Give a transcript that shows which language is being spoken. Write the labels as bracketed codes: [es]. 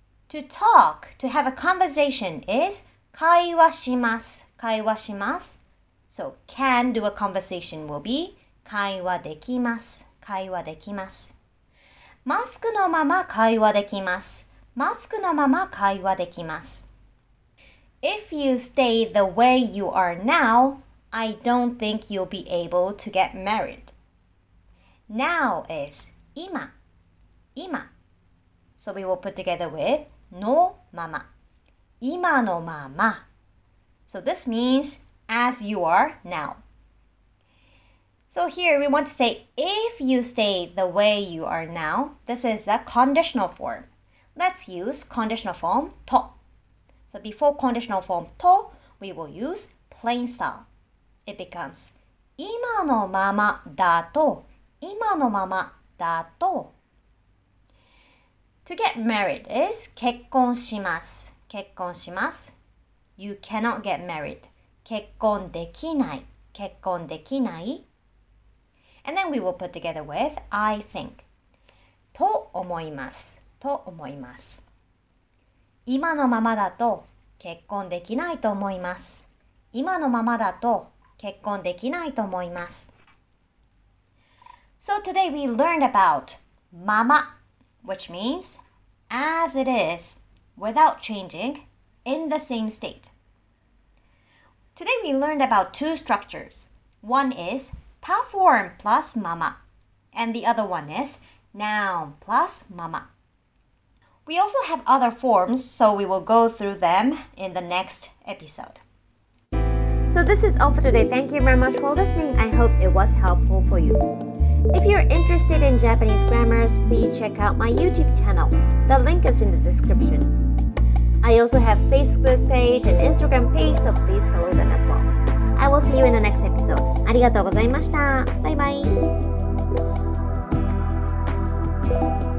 [en] To talk, to have a conversation is [ja] 会話します、会話します。 [en] So can do a conversation will be [ja] 会話できます、会話できます。マスクのまま会話できます、マスクのまま会話できます。 [en] If you stay the way you are now, I don't think you'll be able to get married. Now is [ja] 今、今。 [en] So we will put together with [ja] のまま。今のまま。 [en] So this means as you are now. So here we want to say if you stay the way you are now, this is a conditional form. Let's use conditional form と。So before conditional form と、we will use plain style. It becomes [ja] 今のままだと。今のままだと。 [en] To get married is [ja] 結婚します。結婚します。 [en] You cannot get married. [ja] 結婚できない。結婚できない。 [en] And then we will put together with I think. [ja] と思います。と思います。今のままだと結婚できないと思います。今のままだと結婚できないと思います。 [en] So today we learned about mama, which means as it is, without changing, in the same state. Today we learned about two structures. One is ta form plus mama, and the other one is noun plus mama. We also have other forms, so we will go through them in the next episode. So this is all for today. Thank you very much for listening. I hope it was helpful for you. If you're interested in Japanese grammars, please check out my YouTube channel. The link is in the description. I also have Facebook page and Instagram page, so please follow them as well. I will see you in the next episode. [ja] ありがとうございました。バイバイ。